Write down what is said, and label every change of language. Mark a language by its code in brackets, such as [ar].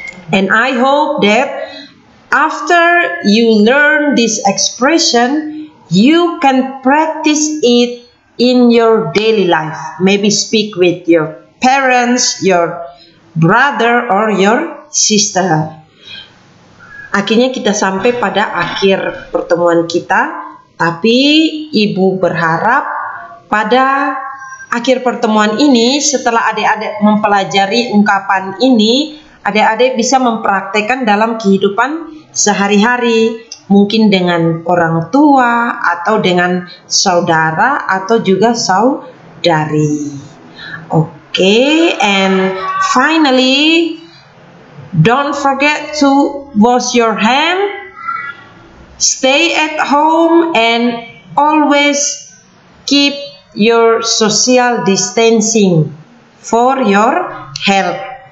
[en] And I hope that after you learn this expression, you can practice it in your daily life. Maybe speak with your parents, your brother or your sister. [id] Akhirnya kita sampai pada akhir pertemuan kita, tapi Ibu berharap pada akhir pertemuan ini, setelah adik-adik mempelajari ungkapan ini, adik-adik bisa mempraktikkan dalam kehidupan sehari-hari, mungkin dengan orang tua atau dengan saudara atau juga saudari. Oke. [en] Okay, and finally, don't forget to wash your hand, stay at home, and always keep your social distancing for your health.